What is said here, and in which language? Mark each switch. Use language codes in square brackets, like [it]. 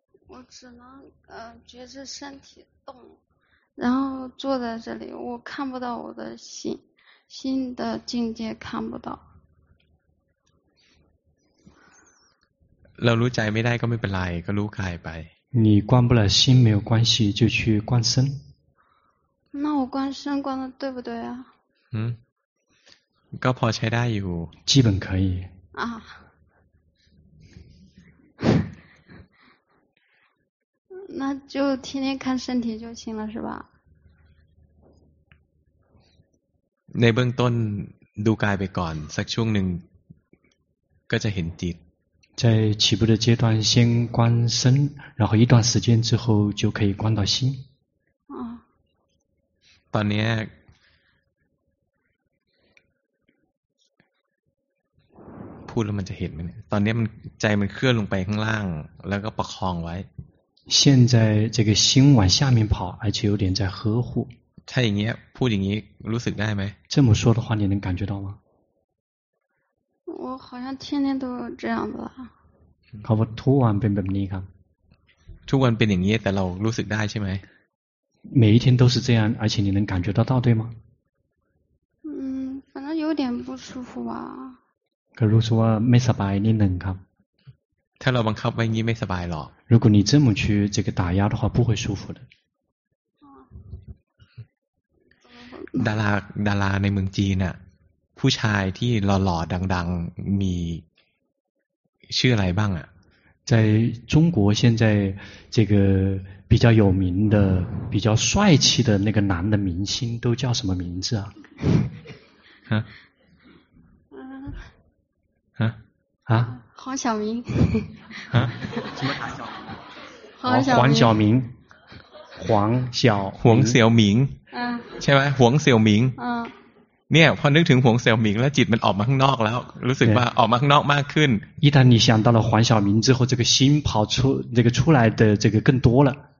[zh] 我只能觉知身体动然后坐在这里我看不到我的心的境界看不到 [th] เรารู้ใจไม่ได้ก็ไม่เป็นไรก็รู้กายไป [zh] 你关不了心没有关系就去观身那我观身观的对不对啊 [th] ก็พอใช้ได้อยู่ [zh] 基本可以啊那就天天看身体就行了是吧 [th] ในเบื้องต้นดูกายไปก่อนสักช่วงหนึ่งก็จะเห็นจิต [zh] 在起步的阶段先观身然后一段时间之后就可以观到心 [th] ตอนนี้พูดแล้วมันจะเห็นไหมตอนนี้มันใจมันเคลื่อนลงไปข้างล่างแล้วก็ประคองไว้ [zh] 现在这个心往下面跑而且有点在呵护 [th] ถ้าอย่างนี้พูดอย่างนี้รู้สึกได้ไหม [zh] 这么说的话你能感觉到吗我好像天天都这样子 [th] ครับทุกวันเป็นแบบนี้ครับ ทุกวันเป็นอย่างนี้แต่เรารู้สึกได้ใช่ไหม [zh] 每一天都是这样而且你能感觉得到对吗反正有点不舒服吧 [th] ก็รู้สึกว่าไม่สบายนิดหนึ่งครับ ถ้าเราบังคับไว้งี้ไม่สบายหรอก [zh] 如果你这么去这个打压的话不会舒服的 [th] ดาราในเมืองจีนอ่ะผู้ชายที่หล่อๆดังๆมีชื่ออะไรบ้างอ่ะ [zh] 在中国现在这个比较有名的比较帅气的那个男的明星都叫什么名字啊？啊？啊？啊？黄晓明。啊？什么黄晓明？黄晓明。黄晓明。黄晓明。黄晓明。啊。 [th] ใช่ไหม？ 黄晓明。啊。 เนี่ยพอนึกถึง黄晓明แล้วจิตมันออกมาข้างนอกแล้วรู้สึกว่าออกมาข้างนอกมากขึ้น [zh] 一旦你想到了黄晓明之后，这个心跑出这个出来的这个更多了。